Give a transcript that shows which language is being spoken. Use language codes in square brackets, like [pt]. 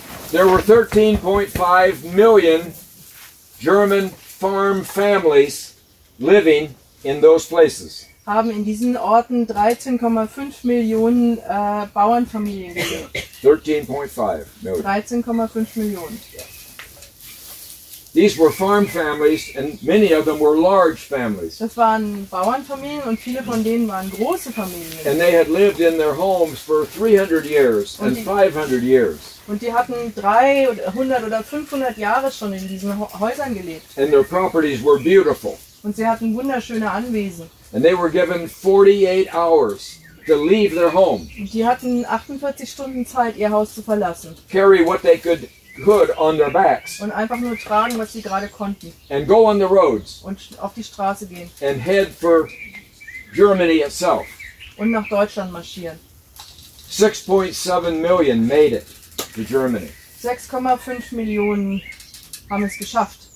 [en] There were 13.5 million German farm families living in those places. [de] Haben in diesen Orten 13,5 Millionen Bauernfamilien gelebt. 13,5 Millionen. [en] These were farm families and many of them were large families. [de] Das waren Bauernfamilien und viele von denen waren große Familien. [en] And they had lived in their homes for 300 years and 500 years. [de] Und die hatten 300 oder 500 Jahre schon in diesen Häusern gelebt. [en] And their properties were beautiful. [de] Und sie hatten wunderschöne Anwesen. [en] And they were given 48 hours to leave their home. [de] Und die hatten 48 Stunden Zeit, ihr Haus zu verlassen. [en] Carry what they could hood on their backs. [de] Und einfach nur tragen, was sie gerade konnten. [en] And go on the roads. [de] Und auf die Straße gehen. [en] And head for Germany itself. [de] Und nach Deutschland marschieren. [en] 6.7 million made it. To Germany. [de] 6,5 Millionen haben es geschafft.